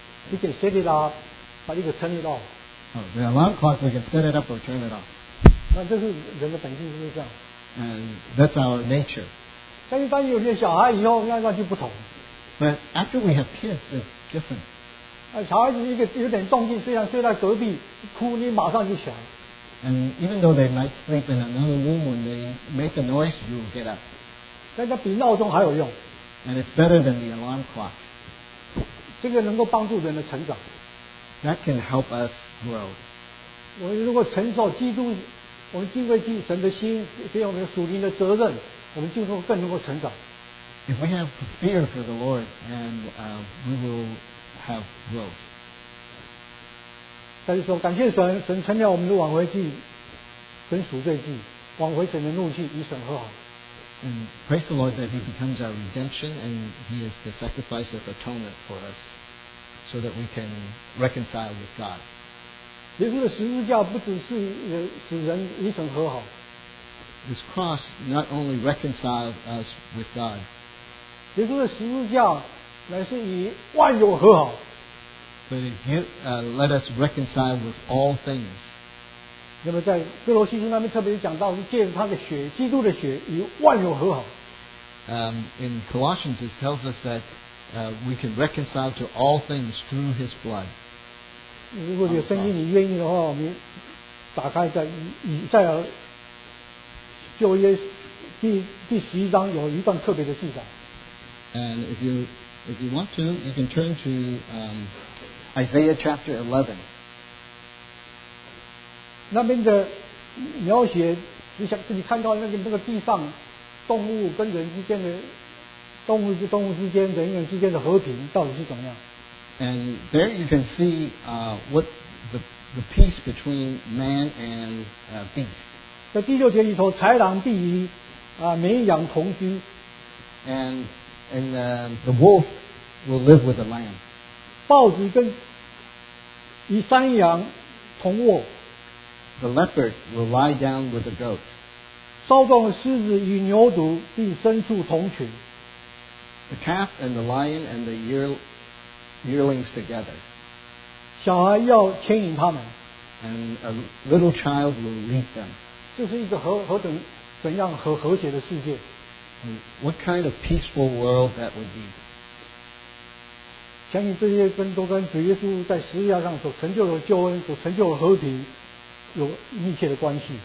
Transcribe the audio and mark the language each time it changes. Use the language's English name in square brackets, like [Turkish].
[English] We can set it up, but you can turn it off. Oh, the alarm clock, we can set it up or turn it off. [Chinese] 那这是人的本性，就是这样。 [English] And that's our nature. [Chinese] 但是当你有些小孩以后，那就不同。 [English] But after we have kids, it's different. [Chinese] 小孩子一个有点动静，虽然睡在隔壁哭，你马上就起来。 [English] And even though they might sleep in another room, when they make a noise, you will get up. [Chinese] 但是比闹钟还有用。 [English] And it's better than the alarm clock. [Chinese] 这个能够帮助人的成长。 [English] That can help us grow. [Chinese] 我如果承受基督，我们敬畏基督神的心，对我们属灵的责任，我们就能更能够成长。 [English] If we have fear for the Lord, and we will have growth. [Chinese] 但是说感谢神，神成了我们的挽回祭，跟赎罪祭，挽回神的怒气，与神和好。 [English] And praise the Lord that He becomes our redemption, and He is the sacrifice of atonement for us, so that we can reconcile with God. [Chinese] 耶稣的十字架不只是使人与神和好。 [English] His cross not only reconciled us with God. [Chinese] 耶稣的十字架乃是与万有和好。 [English] But it let us reconcile with all things. [Chinese] 那么在哥罗西书那边特别讲到，是借着他的血，基督的血与万有和好。 [English] In Colossians it tells us that we can reconcile to all things through His blood. [Chinese] 如果有圣经你愿意的话，我们打开在以赛亚旧约第十一章有一段特别的记载。 [English] And if you want to, you can turn to Isaiah chapter 11. [Chinese] 那边的描写，你想自己看到那个地上动物跟人之间的动物之动物之间人人之间的和平到底是怎么样 [English] ？And there you can see what the peace between man and beast. [Chinese] 在第六节里头，豺狼必与绵羊同居。 [English] And the wolf will live with the lamb. [Chinese] 豹子跟与山羊同卧。 [English] The leopard will lie down with the goat. [Chinese] 骚壮的狮子与牛犊必牲畜同群。 [English] The calf and the lion and the yearlings together. [Chinese] 小孩要牵引他们。 [English] And a little child will lead them. [Chinese] 这是一个怎样和谐的世界。 [English] What kind of peaceful world that would be? [Chinese] 相信这些跟都跟主耶稣在十字架上所成就的救恩、所成就的和平有密切的关系。